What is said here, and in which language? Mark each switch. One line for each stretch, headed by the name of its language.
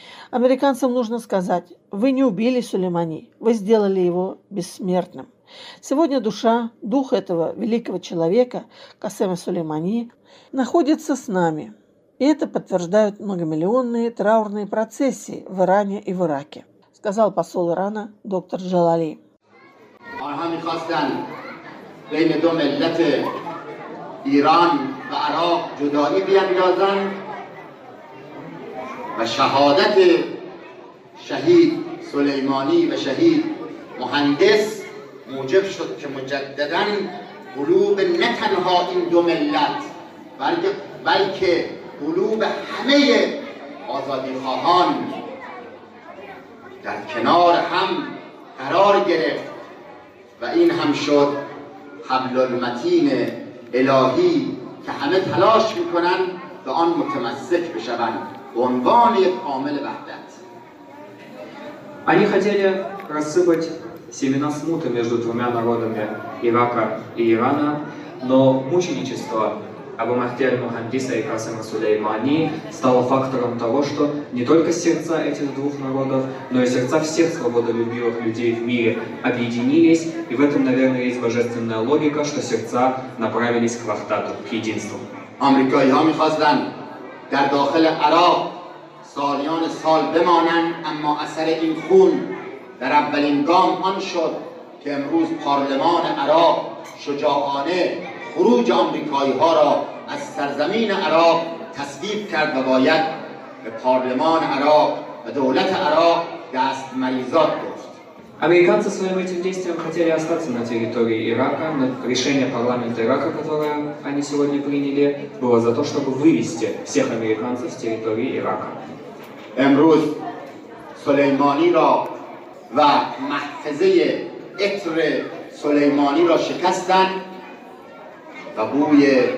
Russian: Американцам нужно сказать, вы не убили Сулеймани, вы сделали его бессмертным. Сегодня душа, дух этого великого человека, Касема Сулеймани, находится с нами. И это подтверждают многомиллионные траурные процессии в Иране и в Ираке, сказал посол Ирана доктор Джалали.
Persian: آنها میخواستن بین دو ملت ایران و عراق جدایی بیندازن و شهادت شهید سلیمانی و شهید مهندس موجب شد که مجدداً قلوب نه تنها این دو ملت بلکه قلوب همه آزادی خواهان در کنار هم قرار گرفت و این هم شد حبل المتین الهی که همه تلاش میکنن به آن متمسک بشوند به عنوان کامل وحدت.
Russian: Они хотели рассыпать семена смуты между двумя народами Ирака и Ирана, но мученичество Абу Махди аль-Мухандиса и Касема Сулеймани стало фактором того, что не только сердца этих двух народов, но и сердца всех свободолюбивых людей в мире объединились, и в этом, наверное, есть божественная логика, что сердца направились к вахтату, к единству. Американцы хотели в
Persian: داخل عراق سالیان سال بمانند اما اثر این خون در اولین گام آن شد که امروز پارلمان عراق شجاعانه خروج آمریکایی ها را از سرزمین عراق تصویب کرد و باید به پارلمان عراق و دولت عراق دست مریزاد گفت.
Russian: Американцы своим этим действием хотели остаться на территории Ирака, но решение парламента Ирака, которое они сегодня приняли, было за то, чтобы вывести всех американцев с территории Ирака.
Persian: امروز سلیمانی را و محفظه اطر سلیمانی را شکستند. و بوی